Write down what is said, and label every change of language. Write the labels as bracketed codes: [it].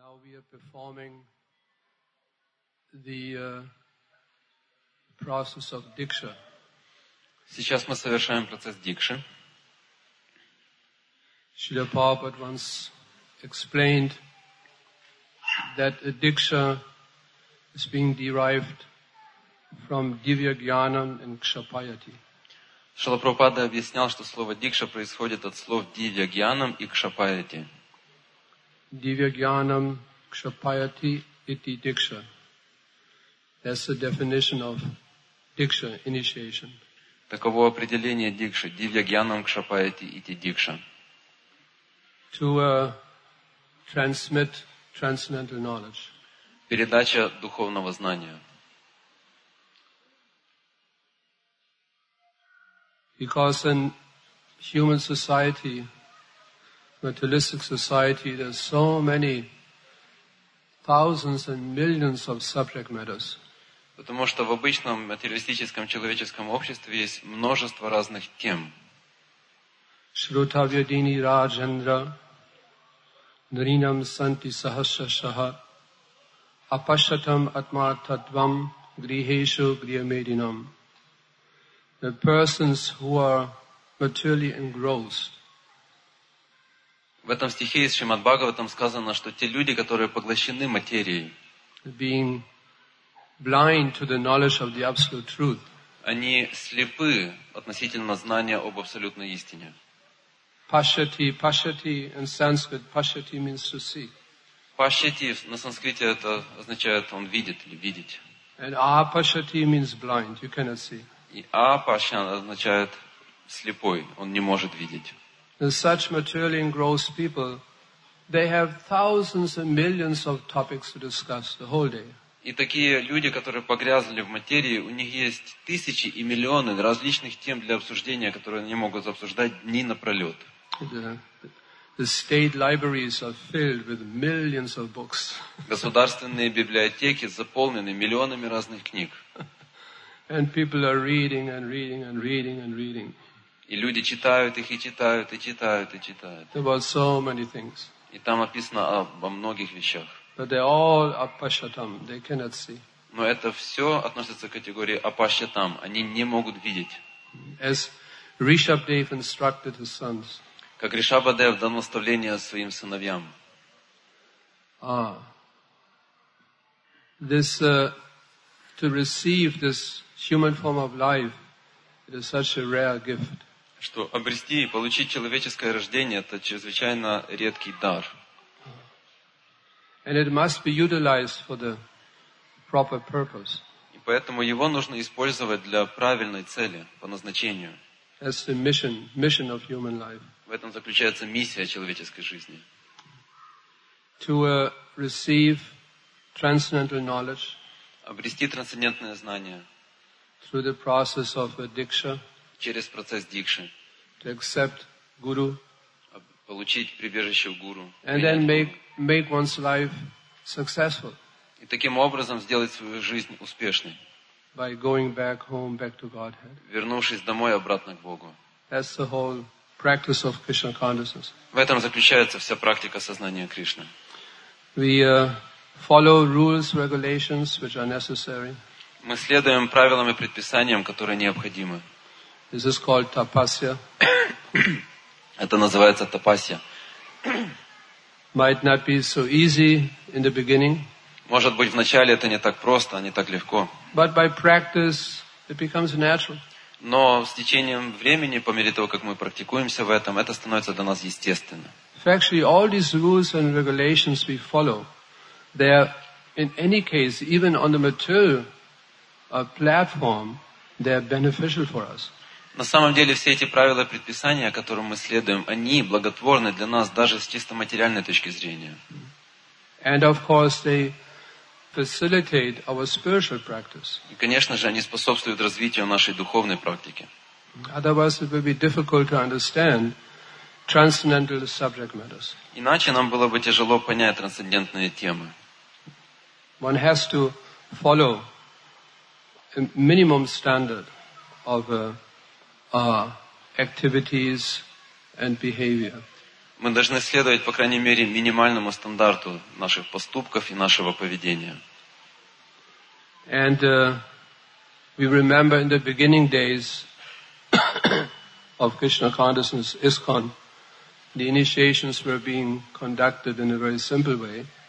[en] you're performing the process of diksha. [ru] Сейчас мы совершаем процесс дикши. [en] Шрила Прабхупад once explained that a diksha is being derived from Divya Gyanam and Kshapayati. [ru] Шрила Прабхупада объяснял, что слово дикша происходит от слов Divya Gyanam и Kshapayati. [sa] Divya Gyanam Kshapayati iti diksha. [en] That's the definition of diksha initiation. [ru] Таково определение дикши. [sa] Дивья гьянам кшапаяти ити дикша. [en] To transmit transcendental knowledge. [ru] Передача духовного знания. [en] Because in human society, materialistic society, there's so many thousands and millions of subject matters. [ru] Потому что в обычном материалистическом человеческом обществе есть множество разных тем. [sa] Шрутавьядини Раджендра Наринам Санти Сахасшаха Апашатам Атма Татвам Грихешу Грихамединам. [en] The persons who are materially engrossed. [ru] В этом стихе из Шримад Бхагаватам сказано, что те люди, которые поглощены материей, [en] being blind to the knowledge of the absolute truth. [ru] Они слепы относительно знания об абсолютной истине. [en] Пашати, пашати in Sanskrit, пашати means to see. [ru] Пашати на санскрите это означает он видит или видеть. [en] And апашати means blind, you cannot see. [ru] И апаша означает слепой, он не может видеть. [en] And such materially engrossed people, they have thousands and millions of topics to discuss the whole day. [ru] И такие люди, которые погрязли в материи, у них есть тысячи и миллионы различных тем для обсуждения, которые они могут обсуждать дни напролет. [en] The state libraries are filled with millions of books. [ru] Государственные библиотеки заполнены миллионами разных книг. [en] And people are reading and reading and reading and reading. [ru] И люди читают их и читают и читают и читают. [en] About so many things. [ru] И там описано обо многих вещах. [en] But they all apashatam, they cannot see. [ru] Но это все относится к категории апашатам, они не могут видеть. [en] As Rishabdev instructed his sons. [ru] Как Ришабхадев дал наставление своим сыновьям. [en] To receive this human form of life, it is such a rare gift. [ru] Что обрести и получить человеческое рождение, это чрезвычайно редкий дар. [en] And it must be utilized for the proper purpose. [ru] И поэтому его нужно использовать для правильной цели, по назначению. [en] As the mission of human life. [ru] В этом заключается миссия человеческой жизни. [en] To receive transcendental knowledge. [ru] Обрести трансцендентное знание. [en] Through the process of diksha. [ru] Через процесс дикши. [en] To accept guru. [ru] Получить прибежище у гуру. [en] And then make one's life successful. [ru] И таким образом сделать свою жизнь успешной. [en] By going back home, back to Godhead. [ru] Вернувшись домой, обратно к Богу. [en] That's the whole practice of Krishna consciousness. [ru] В этом заключается вся практика сознания Кришны. [en] We follow rules, regulations, which are necessary. [ru] Мы следуем правилам и предписаниям, которые необходимы. [en] This is called tapasya. [ru] Это называется тапасья. [en] Might not be so easy in the beginning. [ru] Может быть, вначале это не так просто, не так легко. [en] But by practice, it becomes natural. [ru] Но с течением времени, по мере того, как мы практикуемся в этом, это становится для нас естественно. [en] Actually, all these rules and regulations we follow, they are, in any case, even on the material platform, they are beneficial for us. [ru] На самом деле, все эти правила и предписания, которым мы следуем, они благотворны для нас даже с чисто материальной точки зрения. [en] And of course they facilitate our spiritual practice. [ru] И, конечно же, они способствуют развитию нашей духовной практики. [en] Otherwise it would be difficult to understand transcendental subject matters. [ru] Иначе нам было бы тяжело понять трансцендентные темы. [en] One has to follow a minimum standard of activities and behavior. [ru] мы должны следовать, по крайней мере, минимальному стандарту наших поступков и нашего поведения. [en] And we remember in the beginning days of Krishna consciousness ISKCON, the initiations were being conducted in a very simple way.